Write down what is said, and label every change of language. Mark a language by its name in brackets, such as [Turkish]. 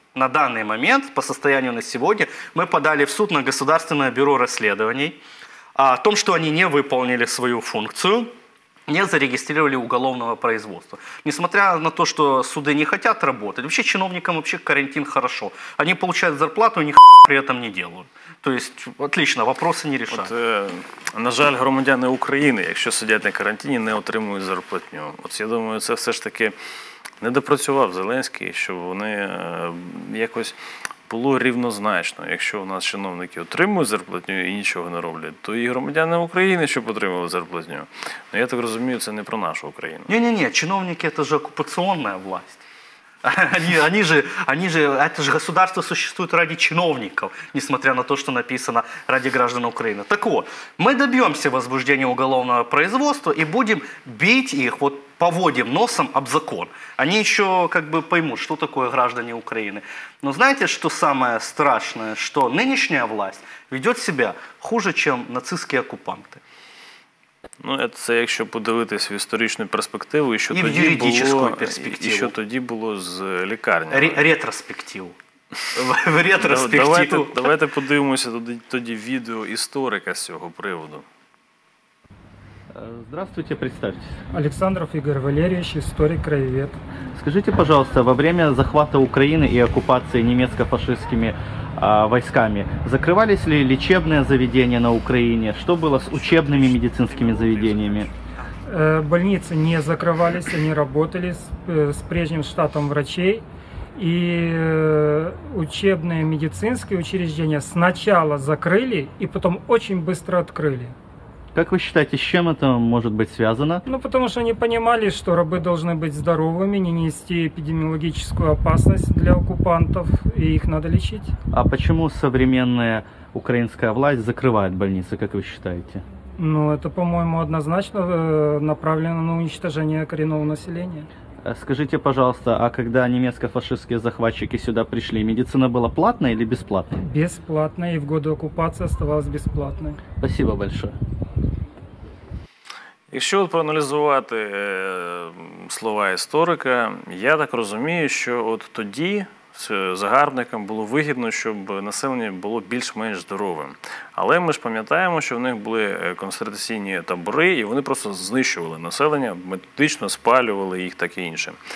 [Russian] На данный момент, по состоянию на сегодня, мы подали в суд на Государственное бюро расследований о том, что они не выполнили свою функцию, не зарегистрировали уголовного производства. Несмотря на то, что суды не хотят работать, вообще чиновникам вообще карантин хорошо. Они получают зарплату, ни хуя при этом не делают. То есть, отлично, вопросы не решают. [Ukrainian] На жаль, громадяни України, якщо сидять на карантині, не отримують зарплатню. От я думаю, це все ж таки... не допрацював Зеленський, щоб вони якось було рівнозначно. Якщо у нас чиновники отримують зарплатню і нічого не роблять, то і громадяни України, щоб отримали зарплатню. Ну, я так розумію, це не про нашу Україну. Ні-ні-ні, чиновники – це ж окупаційна власть. [Russian] Они же, это же государство существует ради чиновников, несмотря на то, что написано ради граждан Украины. Так вот, мы добьемся возбуждения уголовного производства и будем бить их, вот поводим носом об закон. Они еще как бы поймут, что такое граждане Украины. Но знаете, что самое страшное, что нынешняя власть ведет себя хуже, чем нацистские оккупанты. [Ukrainian] Ну, це якщо подивитись в історичну перспективу, і що і тоді юридичну перспективу, і що тоді було з лікарнями. Ретроспективу. В ретроспективу. Давайте подивимося тоді відео історика з цього приводу. [Russian] Здравствуйте, представьтесь. Александров Игорь Валерьевич, историк, краевед. Скажите, пожалуйста, во время захвата Украины и оккупации немецко-фашистскими войсками, закрывались ли лечебные заведения на Украине? Что было с учебными медицинскими заведениями? Больницы не закрывались, они работали с прежним штатом врачей. И учебные медицинские учреждения сначала закрыли и потом очень быстро открыли. Как вы считаете, с чем это может быть связано? Ну, потому что они понимали, что рабы должны быть здоровыми, не нести эпидемиологическую опасность для оккупантов, и их надо лечить. А почему современная украинская власть закрывает больницы, как вы считаете? Ну, это, по-моему, однозначно направлено на уничтожение коренного населения. Скажите, пожалуйста, а когда немецко-фашистские захватчики сюда пришли, медицина была платной или бесплатной? Бесплатной, и в годы оккупации оставалась бесплатной. Спасибо большое. [Ukrainian] Якщо от проаналізувати слова історика, я так розумію, що от тоді загарбникам було вигідно, щоб населення було більш-менш здоровим. Але ми ж пам'ятаємо, що в них були концентраційні табори, і вони просто знищували населення, методично спалювали їх, так і інше.